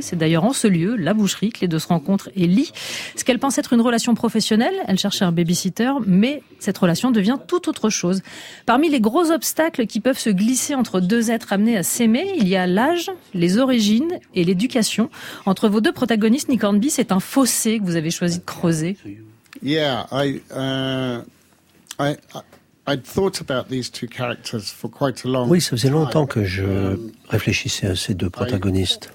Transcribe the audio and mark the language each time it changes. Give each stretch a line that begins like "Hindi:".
French: C'est d'ailleurs en ce lieu, la boucherie, que les deux se rencontrent et lient. Ce qu'elle pense être une relation professionnelle, elle cherchait un babysitter, mais cette relation devient tout autre chose. Parmi les gros obstacles qui peuvent se glisser entre deux êtres amenés à s'aimer, il y a l'âge, les origines et l'éducation. Entre vos deux protagonistes, Nick Hornby, c'est un fossé que vous avez choisi de creuser.
English: Yeah, I, uh, I, I'd thought about these two characters for quite a long time.
French: Oui, ça faisait longtemps que je réfléchissais à ces deux protagonistes.